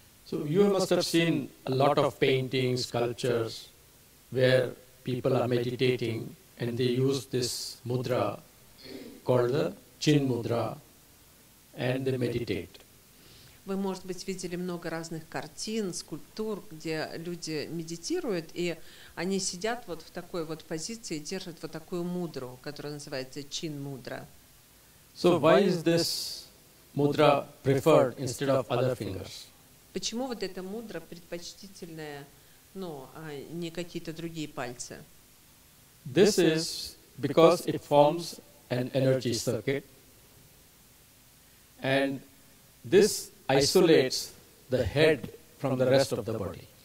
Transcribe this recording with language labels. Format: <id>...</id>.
<en>So you must have seen a lot of paintings, sculptures, where people are meditating and they use this mudra called the chin mudra. And they meditate.</en> <ru>Вы, может быть, видели много разных картин, скульптур, где люди медитируют, и они сидят вот в такой вот позиции, держат вот такую мудру, которая называется чин мудра.</ru> <en>So why is this mudra preferred instead of other fingers?</en> <ru>Почему вот эта мудра предпочтительная, ну, а не какие-то другие пальцы?</ru> <en>This is because it forms an energy circuit. And this isolates the head from the rest of the body.</en>